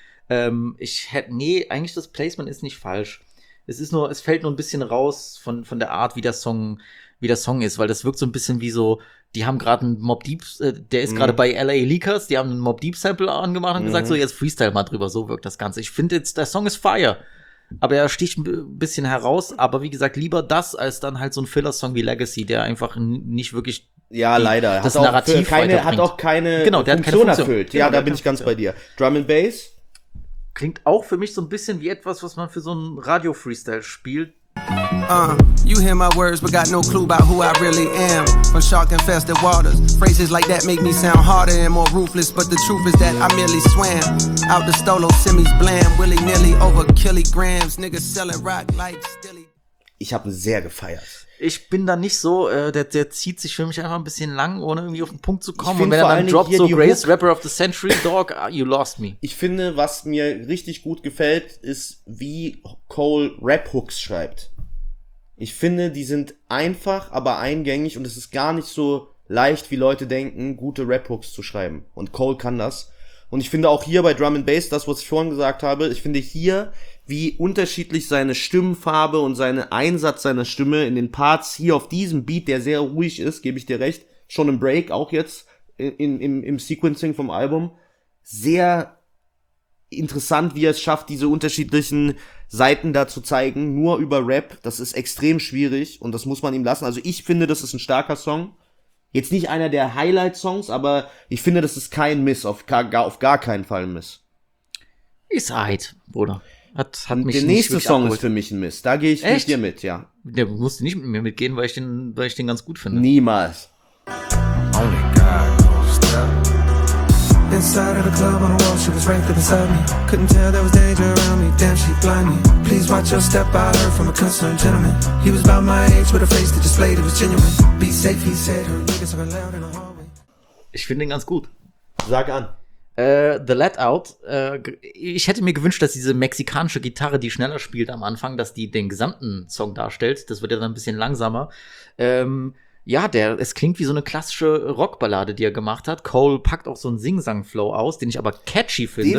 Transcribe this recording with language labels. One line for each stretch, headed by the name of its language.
German: Eigentlich das Placement ist nicht falsch. Es fällt nur ein bisschen raus von der Art, wie der Song ist, weil das wirkt so ein bisschen wie so, die haben gerade einen Mobb Deep, der ist gerade bei LA Leakers, die haben einen Mobb Deep Sample angemacht und gesagt, so jetzt Freestyle mal drüber, so wirkt das Ganze. Ich finde jetzt, der Song ist fire, aber er sticht ein bisschen heraus, aber wie gesagt, lieber das als dann halt so ein Filler-Song wie Legacy, der einfach nicht wirklich. Ja, leider. Das hat Narrativ auch keine, hat auch keine, genau, der Funktion, hat keine Funktion erfüllt. Ja, da bin ich ganz bei dir. Drum and Bass. klingt auch für mich so ein bisschen wie etwas, was man für so einen Radio-Freestyle spielt.
English: You hear my words, but got no clue about who I really am. From shark-infested waters, phrases like that make me sound harder and more ruthless. But the truth is that I merely swam out the Stolo Simi's blam, willy-nilly over kilograms, niggas selling rock like Stilly.
German: Ich habe sehr gefeiert. Ich bin da nicht so, der zieht sich für mich einfach ein bisschen lang, ohne irgendwie auf den Punkt zu kommen. Und wenn er dann droppt,
English: so Grace, Rapper of the Century, Dog, you lost me.
German: Ich finde, was mir richtig gut gefällt, ist, wie Cole Rap-Hooks schreibt. Ich finde, die sind einfach, aber eingängig und es ist gar nicht so leicht, wie Leute denken, gute Rap-Hooks zu schreiben. Und Cole kann das. Und ich finde auch hier bei Drum & Bass, das, was ich vorhin gesagt habe, ich finde hier, wie unterschiedlich seine Stimmfarbe und seine Einsatz seiner Stimme in den Parts hier auf diesem Beat, der sehr ruhig ist, gebe ich dir recht, schon im Break, auch jetzt im Sequencing vom Album, sehr interessant, wie er es schafft, diese unterschiedlichen Seiten da zu zeigen, nur über Rap. Das ist extrem schwierig und das muss man ihm lassen. Also ich finde, das ist ein starker Song. Jetzt nicht einer der Highlight-Songs, aber ich finde, das ist kein Miss, auf gar keinen Fall ein Miss. Ist halt, Bruder. Hat mich der nächste Song ist für mich ein Miss. Da gehe ich mit dir mit, ja. Der musste nicht mit mir mitgehen, weil ich den ganz gut finde. Niemals.
English: Inside of the club on the wall, she was right there beside me. Couldn't tell there was danger around me, damn she blind me. Please watch your step, I heard from a concerned gentleman. He was about my age with a face that displayed it was genuine. Be safe, he said, her niggas are loud in the hallway.
German: Ich finde ihn ganz gut. Sag an. The Let Out, ich hätte mir gewünscht, dass diese mexikanische Gitarre, die schneller spielt am Anfang, dass die den gesamten Song darstellt. Das wird ja dann ein bisschen langsamer. Es klingt wie so eine klassische Rockballade, die er gemacht hat. Cole packt auch so einen Sing-Sang-Flow aus, den ich aber catchy finde.